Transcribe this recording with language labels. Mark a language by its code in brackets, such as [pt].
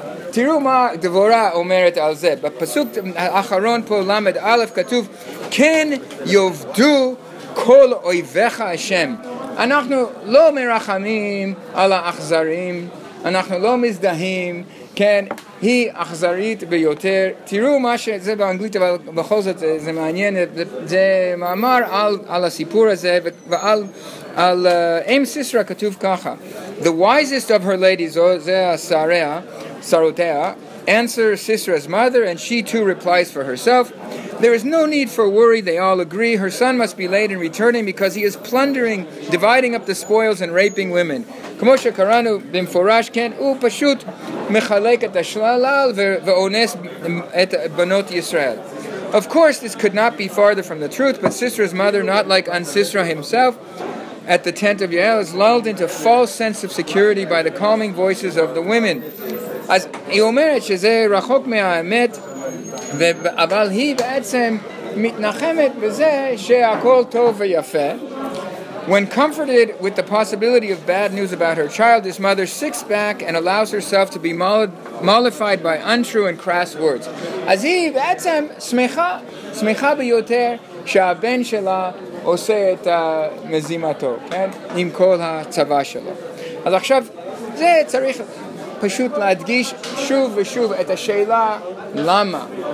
[he] תראו מה דבורה אומרת על זה. בפסוק האחרון פה, למד א', כתוב, כן יובדו כל אויביך השם. אנחנו לא מרחמים על האכזרים, אנחנו לא מזדהים, כן, היא אכזרית ביותר. תראו מה שזה באנגלית, אבל בכל זאת זה מעניין, זה מאמר על הסיפור הזה, ועל אם סיסרא כתוב ככה, [en] the wisest of her ladies, [he] זה השריה, שרותיה, [en] answer Sisera's mother, and she too replies for herself, there is no need for worry, they all agree, her son must be late in returning because he is plundering, dividing up the spoils and raping women. [he] כמו שקראנו במפורש, כן, הוא פשוט מחלק את השלל ואונס את בנות ישראל. [en] Of course, this could not be farther from the truth, but Sisera's mother, not like Ansisera himself, at the tent of Yael, is lulled into false sense of security by the calming voices of the women. [he] אז היא אומרת שזה רחוק מהאמת, אבל היא בעצם מתנחמת בזה שהכל טוב ויפה. [en] When comforted with the possibility of bad news about her child, this mother sits back and allows herself to be mollified by untrue and crass words. [he] אז היא בעצם שמחה ביותר שהבן שלה עושה את מזימתו, כן? עם כל הצבא שלו. אז עכשיו זה צריך פשוט להדגיש שוב ושוב את השאלה למה.